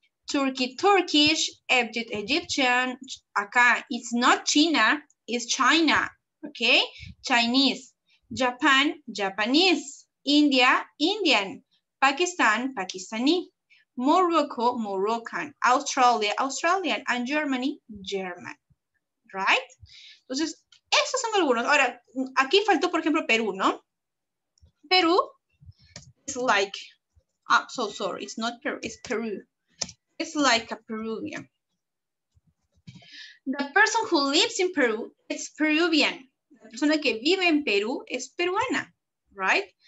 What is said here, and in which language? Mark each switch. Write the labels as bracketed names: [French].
[English] Turkey, Turkish, Egypt, Egyptian, acá, it's not China, it's China, okay, Chinese, Japan, Japanese, India, Indian, Pakistan, Pakistani, Morocco, Moroccan, Australia, Australian, and Germany, German. Right? [Spanish] Entonces, esos son algunos. Ahora, aquí faltó, por ejemplo, Perú, ¿no? [English] Perú is like, I'm so sorry, it's not Peru, it's Peru. It's like a Peruvian. The person who lives in Peru is Peruvian. [Spanish] La persona que vive en Perú es peruana, right?